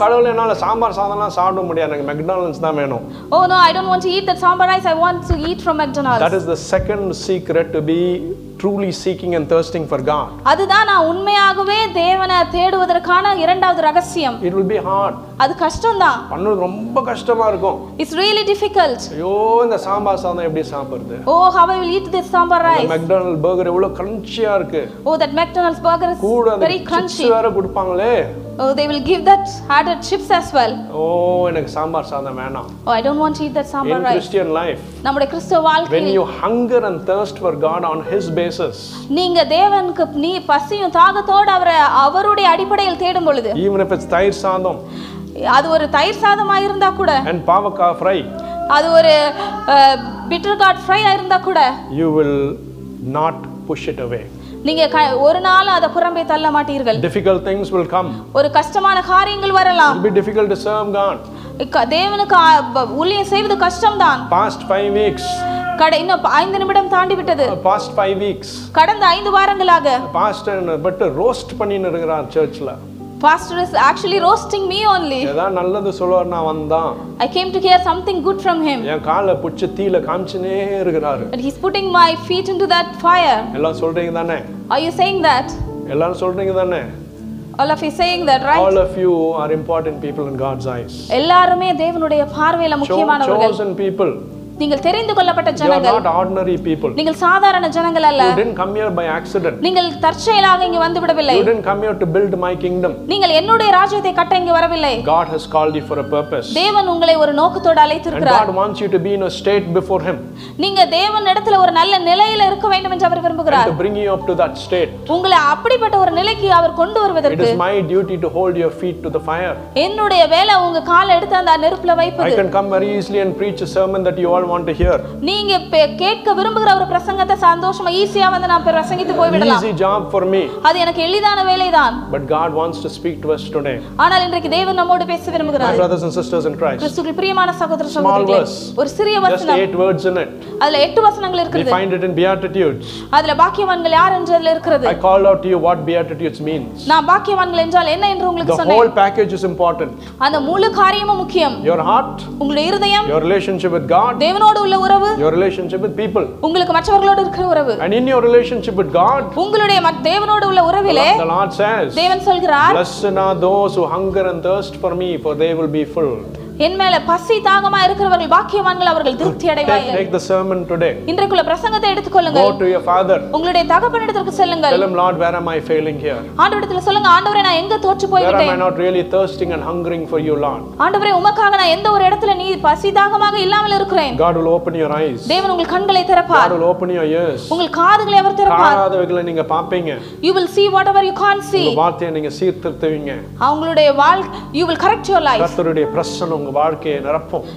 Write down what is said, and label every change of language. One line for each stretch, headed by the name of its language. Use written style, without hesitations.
Tamil: கடவுளே என்னால சாம்பார் சாதம்லாம் சாப்பிட முடியாது எனக்கு McDonald's தான் வேணும்.
English: Oh no, I don't want to eat that sambar rice. I want to eat from McDonald's. That is the second secret to be truly seeking and thirsting for God.
Tamil: அதுதான் நான் உண்மையாகவே தேவனை தேடுவதற்கான இரண்டாவது ரகசியம்.
English: It will be hard.
Tamil: அது கஷ்டம்தான். பண்ணது ரொம்ப கஷ்டமா இருக்கும்.
English: It's really difficult.
Tamil: ஐயோ இந்த சாம்பார் சாதம் எப்படி சாப்பிடுறது?
English: Oh how I will eat this sambar rice.
Tamil: McDonald's burger எவ்வளவு crunchy-ஆ இருக்கு.
English: Oh that McDonald's burger is very crunchy.
Tamil: Chips வேற கொடுப்பாங்களே.
English: Oh they will give that added chips as well.
Tamil: Oh எனக்கு சாம்பார் சாதம் வேணாம்.
English: Oh I don't want to eat that sambar rice. In Christian life.
Tamil: நம்முடைய கிறிஸ்தவ வாழ்க்கை.
English: When you hunger and thirst for God on his basis.
Tamil: நீங்க தேவனுக்கு நீ பசியும் தாகத்தோட அவருடைய அடிப்படையில் தேடும் பொழுது.
English: Even if it's thayir sadam.
Tamil: அது ஒரு தயிர் சாதமா இருந்தா கூட. And பாவக்கா ஃப்ரை. அது ஒரு பிட்டர் காட் ஃப்ரை இருந்தா கூட.
English: You will not push it away.
Tamil: நீங்க ஒரு நாள் அத புறம்பே தள்ள மாட்டீர்கள்
English: Difficult things will come.
Tamil: ஒரு கஷ்டமான காரியங்கள் வரலாம்
English: It will be difficult to serve God.
Tamil: தேவனுக்கு ஊழியம் செய்வது கஷ்டம்தான்
English: Past 5 weeks.
Tamil: கடந்த 5 நிமிடம் தாண்டி விட்டது
English: Past 5 weeks.
Tamil: கடந்த 5 வாரங்களாக பாஸ்டர் பட் ரோஸ்ட் பண்ணின இருக்கிறார் சர்ச்சல
English: Pastor is actually roasting me only.
Tamil: எதா நல்லது சொல்லவர் நான் வந்தான்.
English: I came to hear something good from him.
Tamil: என் கால புடிச்சு தீல காமிச்சனே இருக்காரு.
English: And he's putting my feet into that fire.
Tamil: எல்லாரும் சொல்றீங்க தானே?
English: Are you saying that?
Tamil: எல்லாரும் சொல்றீங்க தானே?
English: All of you saying that, right? All of you are important people in God's eyes.
Tamil: எல்லாருமே தேவனுடைய பார்வையில் முக்கியமானவர்கள்.
English: Chosen people.
Tamil: நீங்கள் தெரிந்து கொள்ளப்பட்ட ஜனங்கள்.
English: You are not ordinary people.
Tamil: நீங்கள் சாதாரண ஜனங்கள் அல்ல.
English: You didn't come here by accident.
Tamil: நீங்கள் தற்செயலாக இங்கு வந்து விடவில்லை.
English: You didn't come here to build my kingdom.
Tamil: நீங்கள் என்னுடைய ராஜ்யத்தை கட்ட இங்கு வரவில்லை.
English: God has called you for a purpose.
Tamil: தேவன் உங்களை ஒரு நோக்கத்தோடு அழைத்திருக்கிறார்.
English: And God wants you to be in a state before him.
Tamil: நீங்கள் தேவன் இடத்தில் ஒரு நல்ல நிலையில் இருக்க வேண்டும் என்று அவர் விரும்புகிறார்.
English: To bring you up to that state.
Tamil: உங்களை அப்படிப்பட்ட ஒரு நிலைக்கு அவர் கொண்டு வருவதற்கு.
English: It is my duty to hold your feet to the fire.
Tamil: என்னுடைய வேலை உங்க காலை எடுத்து அந்த நெருப்புல வைப்பது.
English: I can come very easily and preach a sermon that you all want to hear.
Tamil: நீங்க கேட்க விரும்புகிற ஒரு பிரசங்கத்தை சந்தோஷமா ஈஸியா வந்து நான் பிரசங்கித்து போய் விடலாம்.
English: Easy job for me.
Tamil: அது எனக்கு எளிதான வேலைதான்.
English: But God wants to speak to us today.
Tamil: ஆனால் இன்றைக்கு தேவன் நம்மோடு பேச விரும்புகிறார்.
English: My brothers and sisters in Christ.
Tamil: கிறிஸ்துவின் பிரியமான சகோதர சகோதரிகளே. ஒரு சிறிய
English: வசனம். Just 8 words in it.
Tamil: அதுல 8 வசனங்கள் இருக்குது.
English: We find it in beatitudes.
Tamil: அதுல பாக்கியவான்கள் யார் என்றதுல இருக்குது.
English: I call out to you what beatitudes means.
Tamil: நான் பாக்கியவான்கள் என்றால் என்ன என்று உங்களுக்கு சொன்னேன்.
English: The whole package is important.
Tamil: அந்த முழு காரியமும் முக்கியம்.
English: Your heart.
Tamil: உங்களுடைய இதயம்.
English: Your relationship with God.
Tamil: தேவனோடு உள்ள உறவு.
English: Your relationship with people.
Tamil: உங்களுக்கு மற்றவர்களோடு இருக்கிற உறவு.
English: And in your relationship with God.
Tamil: உங்களுடைய தேவனோடு உள்ள உறவிலே.
English: The Lord says.
Tamil: தேவன் சொல்கிறார்.
English: Blessed are those who hunger and thirst for me, for they will be full.
Tamil: என் மேல பசி தாகமா இருக்கிறவர்கள் பாக்கியவான்கள் அவர்கள் திருப்தி அடைவார்கள்
English: take the sermon today
Tamil: இன்றைக்குள்ள பிரசங்கத்தை எடுத்துக்கொள்ளுங்க
English: go to your father
Tamil: உங்களுடைய தகப்பனிடத்துக்கு செல்லுங்கள்
English: tell him lord where am I failing here
Tamil: ஆண்டவரே சொல்லுங்க ஆண்டவரே நான் எங்க தோற்று போய் விட்டேன்
English: where am I not really thirsting and hungering for you lord
Tamil: ஆண்டவரே உமக்காக நான் எந்த ஒரு இடத்துல நீ பசி தாகமாக இல்லாமல் இருக்கிறேன்
English: god will open your eyes
Tamil: தேவன் உங்கள் கண்களை திறப்பார்
English: god will open your ears
Tamil: உங்கள் காதுகளை அவர் திறப்பார் காதுகளை நீங்க பாப்பீங்க
English: you will see whatever you can't see
Tamil: உங்க வாழ்க்கையை நீங்க சீர்திருத்துவீங்க அவங்களுடைய வாழ்க்கை
English: you will correct your life
Tamil: கர்த்தருடைய பிரசன்னம் உங்க வாழ்க்கையை நிரப்பும்